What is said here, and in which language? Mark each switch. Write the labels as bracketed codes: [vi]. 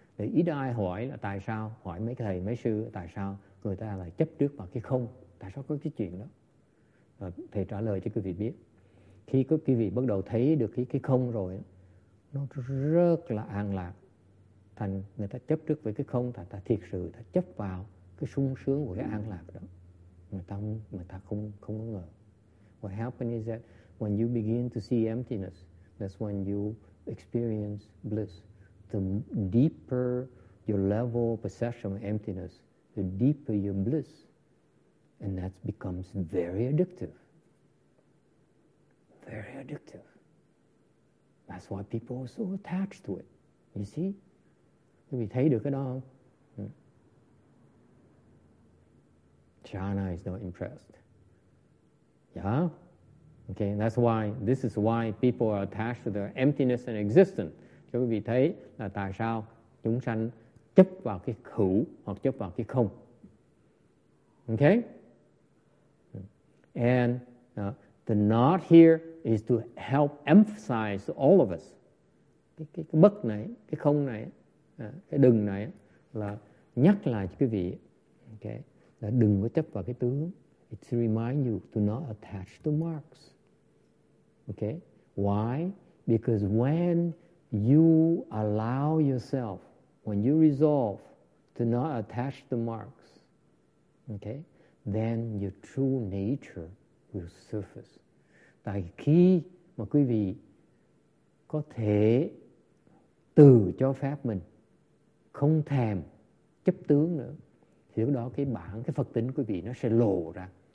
[vi] Để ít ai hỏi là tại sao, hỏi mấy thầy, mấy sư, tại sao người ta lại chấp trước vào cái không, tại sao có cái chuyện đó. Và thầy trả lời cho quý vị biết. Khi quý vị bắt đầu thấy được cái không rồi, nó rất là an lạc. Thành người ta chấp trước với cái không, ta thiệt sự ta chấp vào cái sung sướng của cái an lạc đó. Người ta không có ngờ. [en] What happens is that when you begin to see emptiness, that's when you experience bliss. The deeper your level of perception of emptiness, the deeper your bliss. And that becomes very addictive. Very addictive. That's why people are so attached to it. You see? [vi] Quý vị thấy được cái đó không? [en] China is not impressed. Yeah? Okay, that's why, this is why people are attached to their emptiness and existence. [vi] Cho quý vị thấy là tại sao chúng sanh chấp vào cái hữu hoặc chấp vào cái không. [en] Okay? And the not here is to help emphasize all of us. [vi] Cái bất này, cái không này, cái đừng này là nhắc lại cho quý vị. Okay? Là đừng có chấp vào cái tướng. [en] It's to remind you to not attach to marks. Okay? Why? Because when you allow yourself, when you resolve to not attach to marks, okay, then your true nature will surface. [vi] Tại khi mà quý vị có thể từ cho phép mình không thèm chấp tướng nữa, thì lúc đó cái bản, cái Phật tính quý vị nó sẽ lộ ra.